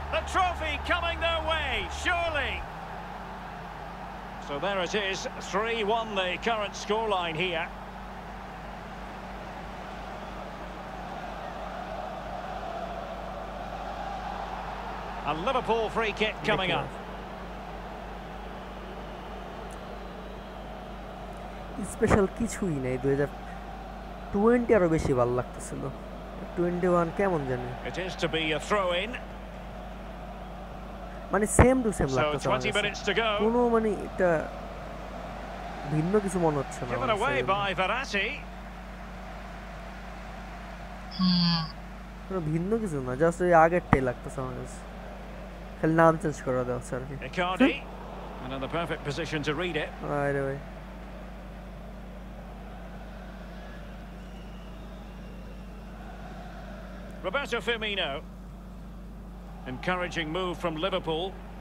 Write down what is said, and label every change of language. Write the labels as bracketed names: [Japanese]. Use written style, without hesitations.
[English] The trophy coming their way, surely! So there it is, 3-1 the current scoreline here. A Liverpool free kick coming up. [Bangla] Special কিছুই নাই 2020 আরো বেশি ভালো লাগতেছিল 21 কেমন জানি. [English] It is to be a throw in. [Bangla] মানে same to same লাগতেছে. [English] So 20 minutes to go. [Bangla] কোনো মানে এটা ভিন্ন কিছু মনে হচ্ছে না. [English] Given away by Verratti. [Bangla] কোনো ভিন্ন কিছু না জাস্ট ওই আগেরটাই লাগতেছে আমার কাছে. [English] Icardi, and in the perfect position to read it. Right away. Roberto Firmino. Encouraging move from Liverpool.